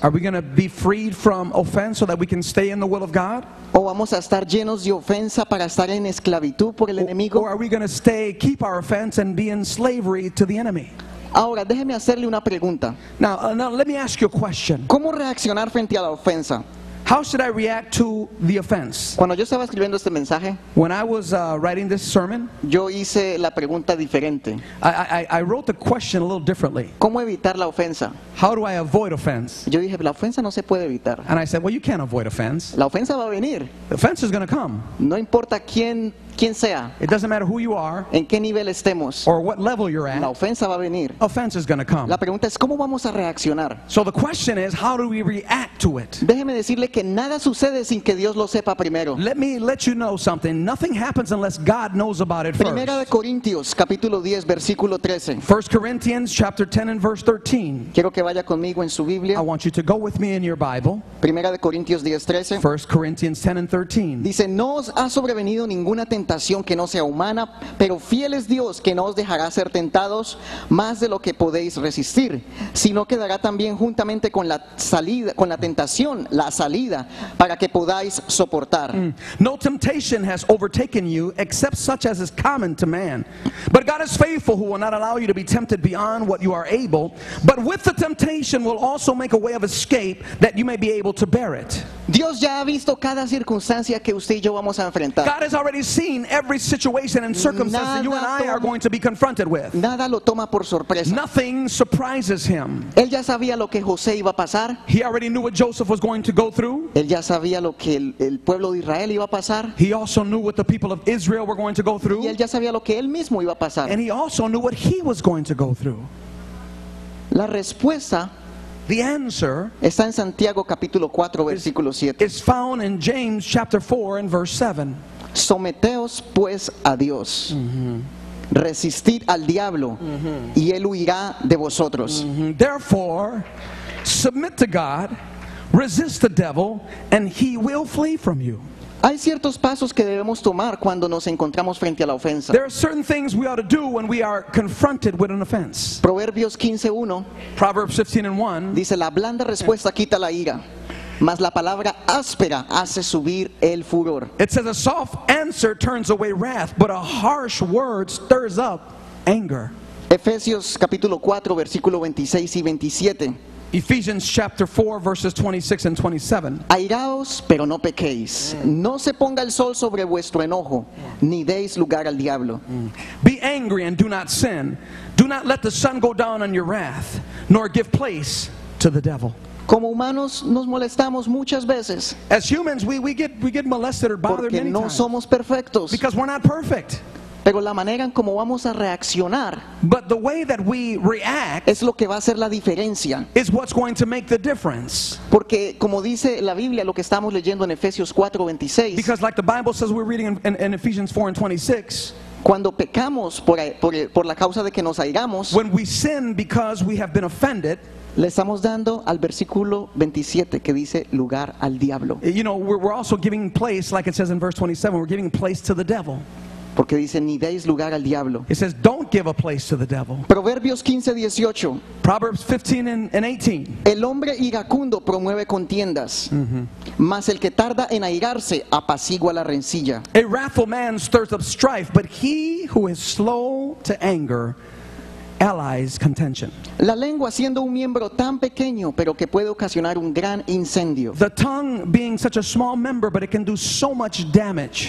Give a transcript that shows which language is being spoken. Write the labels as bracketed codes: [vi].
[en] Are we going to be freed from offense so that we can stay in the will of God? [es] ¿O vamos a estar llenos de ofensa para estar en esclavitud por el enemigo? [en] Or are we going to stay, keep our offense and be in slavery to the enemy? [es] Ahora déjeme hacerle una pregunta. [en] Now let me ask you a question. [es] ¿Cómo reaccionar frente a la ofensa? [en] How should I react to the offense? [es] Cuando yo estaba escribiendo este mensaje, [en] when I was writing this sermon, [es] yo hice la pregunta diferente. [en] I wrote the question a little differently. [es] ¿Cómo evitar la ofensa? [en] How do I avoid offense? [es] Yo dije, la ofensa no se puede evitar. [en] And I said, well, you can't avoid offense. [es] La ofensa va a venir. [en] The offense is going to come. [es] No importa quién. Quien sea, [en] it doesn't matter who you are, [es] en qué nivel estemos, [en] or what level you're at, [es] la ofensa va a venir. [en] Offense is going to come. [es] La pregunta es, ¿cómo vamos a reaccionar? [en] So the question is, how do we react to it? [es] Déjeme decirle que nada sucede sin que Dios lo sepa primero. [en] Let me let you know something. Nothing happens unless God knows about it [es] Primera [en] first. [es] De Corintios, capítulo 10, versículo 13. [en] 1 Corinthians chapter 10 and verse 13. [es] Quiero que vaya conmigo en su Biblia. [en] I want you to go with me in your Bible. [es] Primera de Corintios 10, 13. [en] 1 Corinthians 10 and 13. [es] Dice, no os ha sobrevenido ninguna tentación que no sea humana, pero fiel es Dios que no os dejará ser tentados más de lo que podéis resistir, sino que dará también juntamente con la salida, con la tentación, la salida para que podáis soportar. [en] No temptation has overtaken you except such as is common to man, but God is faithful, who will not allow you to be tempted beyond what you are able, but with the temptation will also make a way of escape that you may be able to bear it. [es] Dios ya ha visto cada circunstancia que usted y yo vamos a enfrentar. [en] God has already seen every situation and circumstance [es] nada [en] that you and I are going to be confronted with. [es] Nada lo toma por sorpresa. [en] Nothing surprises him. [es] Él ya sabía lo que José iba a pasar. [en] He already knew what Joseph was going to go through. [es] Él ya sabía lo que el pueblo de Israel iba a pasar. [en] He also knew what the people of Israel were going to go through. [es] Y él ya sabía lo que él mismo iba a pasar. [en] And he also knew what he was going to go through. [es] La respuesta, [en] the answer, [es] está en Santiago capítulo 4, versículo 7. [en] Is found in James chapter 4 and verse 7. [es] Someteos pues a Dios. Resistid al diablo y él huirá de vosotros. [en] Therefore, submit to God, resist the devil, and he will flee from you. [es] Hay ciertos pasos que debemos tomar cuando nos encontramos frente a la ofensa. [en] There are certain things we ought to do when we are confronted with an offense. [es] Proverbios 15:1. [en] Proverbs 15:1. [es] Dice, la blanda respuesta quita la ira, mas la palabra áspera hace subir el furor. [en] It says a soft answer turns away wrath, but a harsh word stirs up anger. [es] Efesios capítulo 4, versículo 26 y 27. [en] Ephesians chapter 4 verses 26 and 27. [es] Airaos, pero no pequéis. No se ponga el sol sobre vuestro enojo, ni deis lugar al diablo. [en] Be angry and do not sin. Do not let the sun go down on your wrath, nor give place to the devil. [es] Como humanos nos molestamos muchas veces. [en] As humans we get molested or bothered many times. [es] Porque no somos perfectos. [en] Because we're not perfect. [es] Pero la manera en cómo vamos a reaccionar, [en] but the way that we react, [es] es lo que va a hacer la diferencia. [en] Is what's going to make the difference. [es] Porque como dice la Biblia, lo que estamos leyendo en Efesios 4:26. [en] Because like the Bible says, we're reading in Ephesians 4:26. [es] Cuando pecamos por la causa de que nos airamos, [en] when we sin because we have been offended, [es] le estamos dando al versículo 27 que dice lugar al diablo. [en] You know, we're also giving place, like it says in verse 27, we're giving place to the devil. [es] Porque dice ni deis lugar al diablo. [en] It says don't give a place to the devil. [es] Proverbios 15:18. [en] Proverbs 15:18. [es] El hombre iracundo promueve contiendas, mas el que tarda en airarse apacigua la rencilla. [en] A wrathful man stirs up strife, but he who is slow to anger allies contention. [es] La lengua siendo un miembro tan pequeño, pero que puede ocasionar un gran incendio. [en] The tongue being such a small member, but it can do so much damage.